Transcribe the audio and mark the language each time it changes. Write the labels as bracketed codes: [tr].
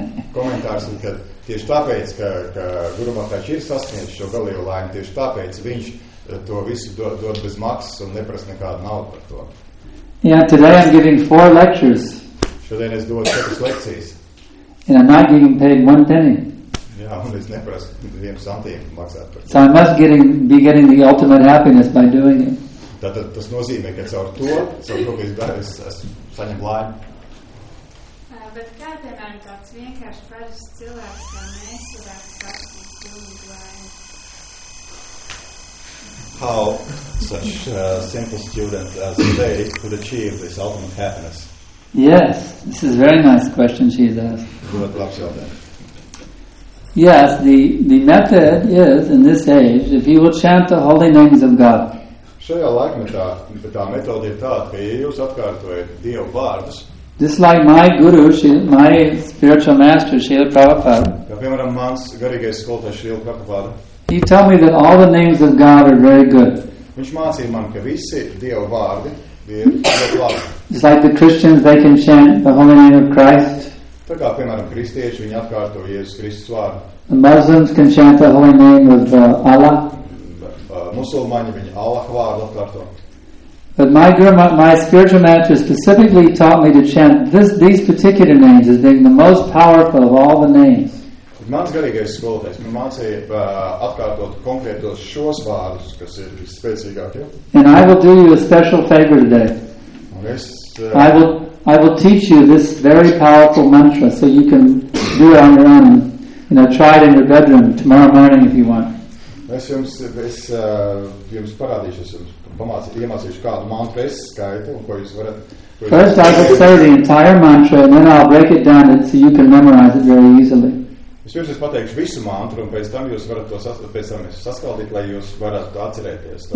[lv] Komentārs ir, ka tieši tāpēc, ka Guru Mahārāja ir sasniedzis šo galīgo laimi, tieši tāpēc viņš to visu dod bez maksas un neprasa nekādu naudu par to. [en] Yeah, today I'm giving 4 lectures. [lv] Šodien es dodu 4 lekcijas. [en] And I'm not getting paid 1 penny. [lv] Jā, un es neprasu 1 santīmu maksāt par to. [en] So I must be getting the ultimate happiness by doing it. [lv] Tātad tas nozīmē, ka caur to, caur to, ka es daru, es saņemu laimi. Bet kā piemēram tāds vienkārši parasts cilvēks, kā mēs varētu saņemt pilnīgu laimi? [en] How such simple student as they could achieve this ultimate happiness? Yes, this is a very nice question she has asked. [lv] Ļoti labs jautājums. [en] Yes, the method is, in this age, if you will chant the holy names of God, [lv] šajā laikmetā tā metode ir tāda, ka ja jūs atkārtojat Dievu vārdus. [en] Just like my guru, my spiritual master, Srila Prabhupada. [lv] Kā piemēram, mans garīgais skolotājs Srila Prabhupada. [en] He told me that all the names of God are very good. [lv] Viņš mācīja man, ka visi Dievu vārdi ir ļoti labi. [en] Just like the Christians, they can chant the holy name of Christ. [lv] Tā kā piemēram, kristieši, viņi atkārto Jēzus Kristus vārdu. [en] The Muslims can chant the holy name of Allah. [lv] Musulmaņi viņi Allah vārdu atkārto. [en] But my grandma, my spiritual master specifically taught me to chant these particular names as being the most powerful of all the names. [lv] Mans garīgais skolotājs man mācīja atkārtot konkrētos šos vārdus, kas ir spēcīgākie. [en] And I will do you a special favor today. I will teach you this very powerful mantra so you can do it on your own and, you know, try it in your bedroom tomorrow morning if you want. [lv] Es jums parādīšu, es jums iemācīšu kādu mantru skaitu, ko jūs varat... [en] First, I will say the entire mantra, and then I'll break it down so you can memorize it very easily. [lv] Es jums pateikšu visu mantru, un pēc tam jūs varat to saskaldīt, lai jūs varat to atcerēties.